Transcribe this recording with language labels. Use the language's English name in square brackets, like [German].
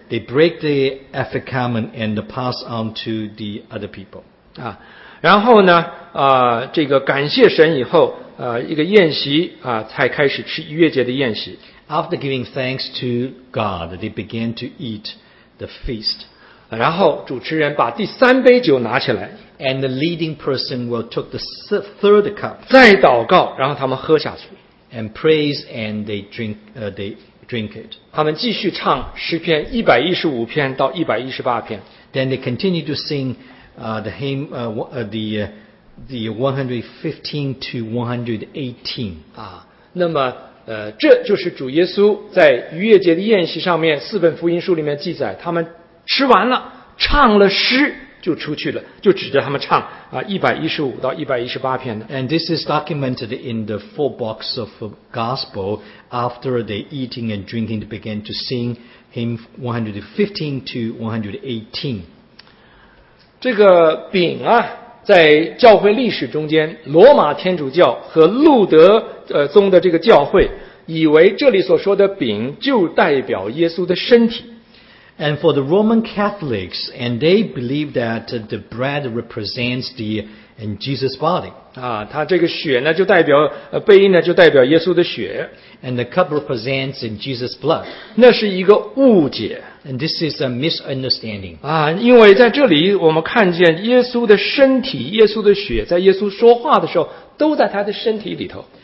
[English] They break the afikamen and pass on to the other people. [Chinese] 然后呢，这个感谢神以后，一个宴席才开始吃逾越节的宴席。 [English] After giving thanks to God, they began to eat the feast. [Chinese] 然后主持人把第三杯酒拿起来。 [English] And the leading person will took the third cup. [Chinese] 再祷告，然后他们喝下去。 [English] And praise and they drink it. [Chinese] 他们继续唱诗篇115篇到118篇。 [English] Then they continue to sing the hymn, the 115 to 118. [Chinese] 那么这就是主耶稣在逾越节的宴席上面，四本福音书里面记载，他们吃完了，唱了诗就出去了，就指着他们唱115到118篇的。 [English] And this is documented in the four books of gospel. After they eating and drinking, they began to sing hymn 115 to 118. [Chinese] 这个饼啊，在教会历史中间，罗马天主教和路德宗的这个教会以为这里所说的饼就代表耶稣的身体。 [English] And for the Roman Catholics, and they believe that the bread represents the and Jesus' body. [Chinese] 它这个血呢就代表杯呢就代表耶稣的血。 [English] And the cup represents in Jesus' blood. [Chinese] 那是一个误解。 [English] And this is a misunderstanding. [Chinese] 因为在这里我们看见耶稣的身体，耶稣的血，在耶稣说话的时候都在他的身体里头。